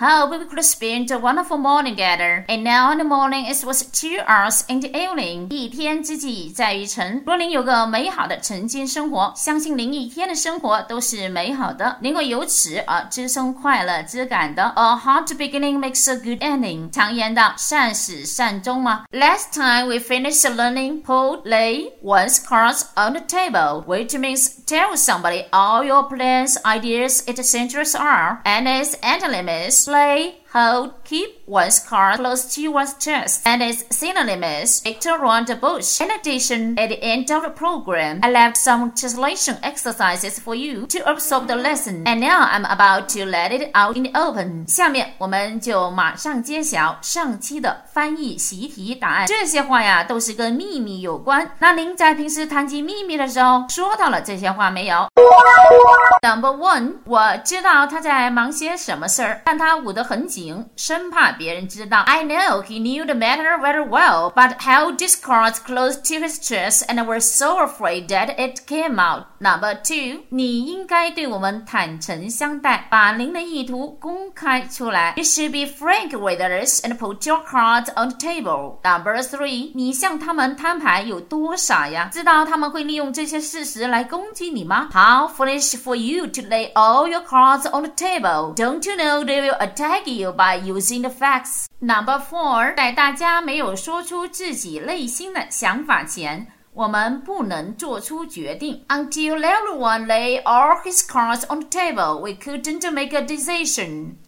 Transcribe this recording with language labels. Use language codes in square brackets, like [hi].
[en] I hope we could spend a wonderful morning together. And now in the morning, it was 2 hours in the evening. [zh] 一天之计在于晨。若您有个美好的晨间生活，相信您一天的生活都是美好的。您会由此而滋生快乐之感的。 [en] A hard beginning makes a good ending. [zh] 常言道，善始善终嘛。 [en] Last time we finished learning, put lay one's cards on the table, which means tell somebody all your plans, ideas, etc. are, and its end limits. Play, hold, keep one's card close to one's chest, and its synonyms. Beat around the bush. In addition, at the end of the program, I left some translation exercises for you to absorb the lesson. And now I'm about to let it out in the open. [zh] 下面我们就马上揭晓上期的翻译习题答案。这些话呀，都是跟秘密有关。那您在平时谈及秘密的时候，说到了这些话没有？ [en] Number one, [zh] 我知道他在忙些什么事儿，但他捂得很紧，生怕别人知道。 [en] I know he knew the matter very well, but held his cards close to his chest and were so afraid that it came out. Number two, [zh] 你应该对我们坦诚相待，把您的意图公开出来。 [en] You should be frank with us and put your cards on the table. Number three, [zh] 你向他们摊牌有多傻呀？知道他们会利用这些事实来攻击你吗？ [en] How foolish for you to lay all your cards on the table. Don't you know they will attack you by using the facts? Number four, [zh] 在大家没有说出自己内心的想法前，我们不能做出决定。 [en] Until everyone lay all his cards on the table, we couldn't make a decision.